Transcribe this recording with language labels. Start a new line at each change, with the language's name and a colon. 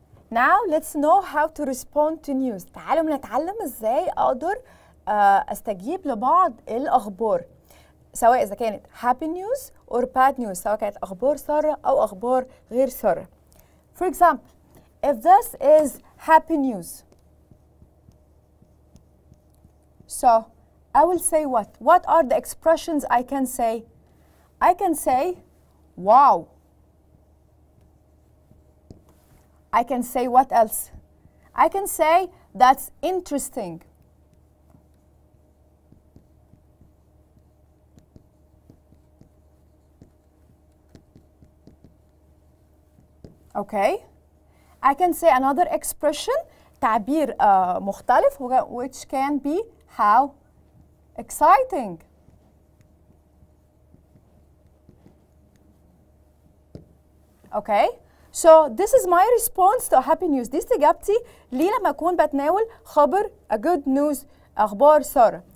English: Now let's know how to respond to news.
Arabic: تعالوا نتعلم ازاي اقدر استجيب لبعض الاخبار سواء اذا كانت
English: happy news or bad news
Arabic: سواء كانت اخبار سارة او اخبار غير سارة.
English: For example, if this is happy news, so I will say what are the expressions I can say? I can say wow. I can say what else? I can say that's interesting. Okay. I can say another expression,
Arabic: تعبير مختلف,
English: which can be how exciting. Okay. So this is my response to happy news.
Arabic: دي استجابتي لي لما أكون بتناول خبر
English: a good news
Arabic: أخبار سارة.